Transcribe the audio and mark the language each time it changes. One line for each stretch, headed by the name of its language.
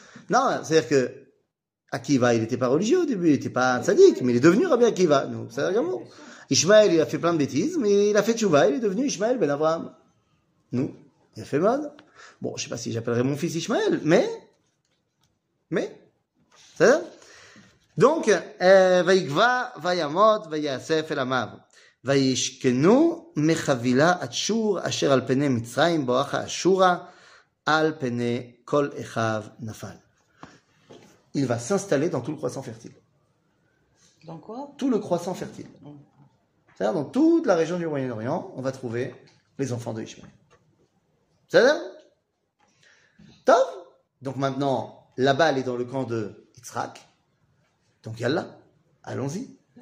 French: Non, c'est-à-dire que Akiva, il n'était pas religieux au début, il n'était pas un tzadique, mais il est devenu Rabbi Akiva. Donc, ça veut dire bon. Ishmaël, il a fait plein de bêtises, mais il a fait Tchouva, il est devenu Ishmaël ben Abraham. Nous, il a fait mal. Bon, je ne sais pas si j'appellerai mon fils Ishmaël, mais, ça veut dire.
Hebrew: Donc, Vaïkva, Vaïamot, Vaïasef, Elamav. וישכנו מחבילה אשור אשר על פני מצרים בואך אשורה על פני כל אחיו נפל.
French: Il va s'installer dans tout le croissant fertile. Dans quoi? Tout le croissant fertile. C'est-à-dire dans toute la région du Moyen-Orient, on va trouver les enfants de Ishmaël. C'est-à-dire? Top! Donc maintenant, la balle est dans le camp de Yitzhak. Donc yalla, allons-y.